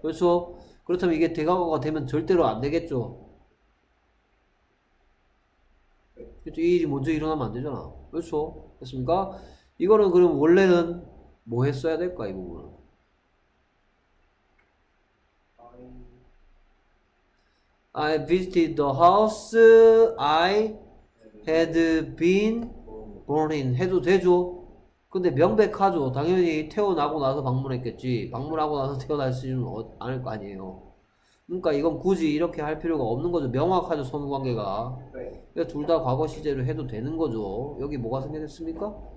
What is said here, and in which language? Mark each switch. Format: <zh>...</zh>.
<ko>그렇죠. 그렇다면 이게 대과거가 되면 절대로 안 되겠죠. 그렇죠. 이 일이 먼저 일어나면 안 되잖아. 그렇죠. 맞습니까? 이거는 그럼 원래는 뭐 했어야 될까 이 부분은.</ko> <en>아이 visited the house I had been born in</en> <ko>해도 되죠. 근데 명백하죠. 당연히 태어나고 나서 방문했겠지. 방문하고 나서 태어났을지는 않을 거 아니에요. 그러니까 이건 굳이 이렇게 할 필요가 없는 거죠. 명확하죠. 선후관계가. 그러니까 둘 다 과거 시제로 해도 되는 거죠. 여기 뭐가 생겨났습니까?</ko>